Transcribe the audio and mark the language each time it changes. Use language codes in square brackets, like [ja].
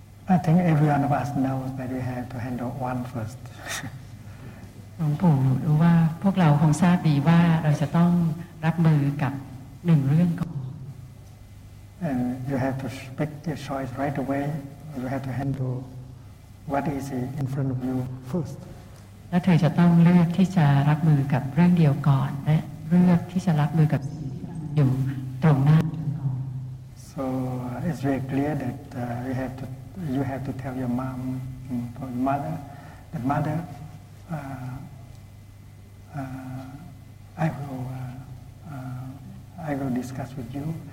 [en] I think every one of us knows that we have to handle one first. [th] หลวงปู่รู้ว่าพวกเราคงทราบดีว่าเราจะต้องรับมือกับหนึ่งเรื่องก่อน [en] And you have to pick your choice right away. You have to handle what is in front of you first. [th] และเธอจะต้องเลือกที่จะรับมือกับเรื่องเดียวก่อนและ เลือกที่จะรับมือกับอยู่ตรงหน้า [en] So it's very clear that you have to tell your mom or your mother that motherI will discuss with you.